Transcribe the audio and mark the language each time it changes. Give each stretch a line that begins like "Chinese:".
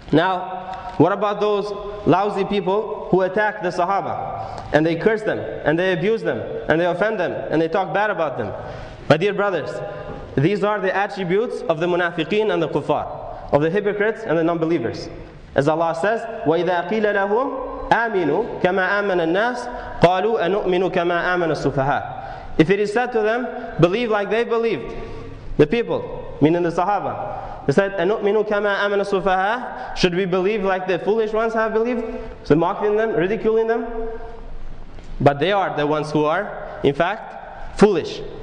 English: Now, what about those lousy people who attack the Sahaba and they curse them and they abuse them and they offend them and they talk bad about them? My dear brothers, these are the attributes of the munafiqeen and the kuffar, of the hypocrites and the non-believers. As Allah says,
Arabic: وَإِذَا قِيلَ لَهُمْ آمِنُوا كَمَا آمَنَ النَّاسِ قَالُوا أَنُؤْمِنُوا كَمَا آمَنَ السُّفَهَا.
English: If it is said to them, believe like they believed, the people, meaning the Sahaba, they said,
Arabic: أَنُؤْمِنُوا كَمَا آمَنَ السُّفَهَا.
English: Should we believe like the foolish ones have believed? So mocking them, ridiculing them. But they are the ones who are, in fact, foolish.